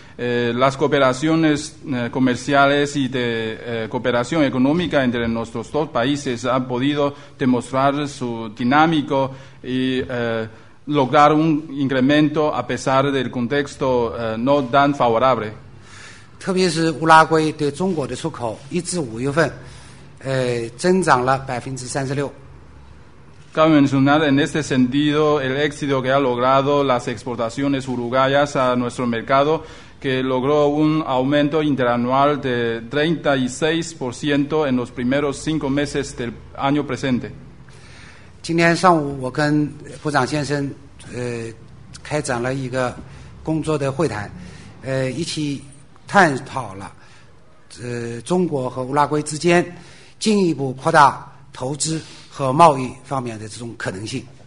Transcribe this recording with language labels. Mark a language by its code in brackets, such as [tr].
[es] Las cooperaciones comerciales y de cooperación económica entre nuestros dos países han podido demostrar su dinámico y lograr un incremento a pesar del contexto no tan favorable. [zh] 特别是乌拉圭对中国的出口一至五月份增长了36%。 [es] Cabe mencionar en este sentido el éxito que han logrado las exportaciones uruguayas a nuestro mercado. Que logró un aumento interanual de 36% en los primeros cinco meses del año presente. [zh] 今天上午我跟部长先生开展了一个工作的会谈，一起探讨了中国和乌拉圭之间进一步扩大投资和贸易方面的这种可能性。